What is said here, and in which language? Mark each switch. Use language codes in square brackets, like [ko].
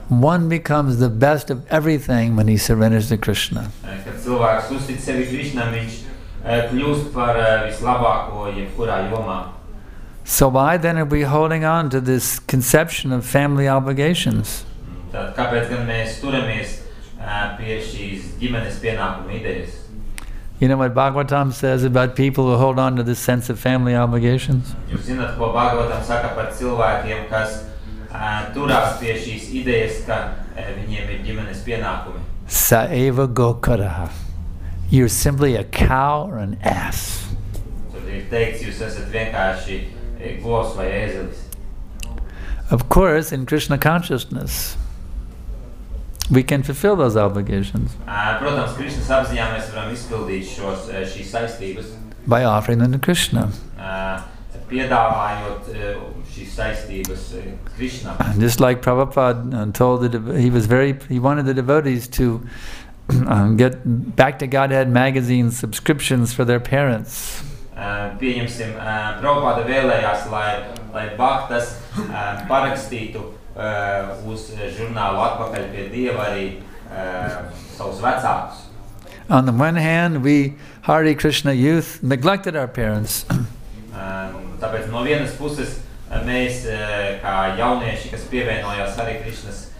[en] One becomes the best of everything when he surrenders to Krishna. [lv] Kad cilvēks uztic sevi Krishna, viņš kļūst par vislabāko jebkurā jomā. [en] So why then are we holding on to this conception of family obligations? [lv] Tad kāpēc gan mēs turamies pie šīs ģimenes pienākuma idejas? [en] You know what Bhagavatam says about people who hold on to this sense of family obligations? [lv] Jūs zināt, ko Bhagavatam saka par cilvēkiem, kas turās pie šīs idejas, ka viņiem ir ģimenes pienākumi? [sa] Sa eva gokaraha. [en] You're simply a cow or an ass. [lv] Tad ir teikts, jūs esat vienkārši govs vai ēzelis. [en] Of course, in Krishna consciousness, we can fulfill those obligations. [lv] Protams, Krishna's apziņā mēs varam izpildīt šīs saistības. [en] By offering them to Krishna. [lv] Piedāvājot šīs saistības Krishna. [en] And just like Prabhupada told the he wanted the devotees to get Back to Godhead magazine subscriptions for their parents. [lv] Pieņemsim, Prabhupada vēlējās, lai Bhaktas parakstītu uz žurnālu Atpakaļ pie Dieva arī savus vecākus. [en] On the one hand, we Hare Krishna youth neglected our parents. [lv] Tāpēc no vienas puses mēs kā jaunieši, kas pievienojās Hare Krishnas,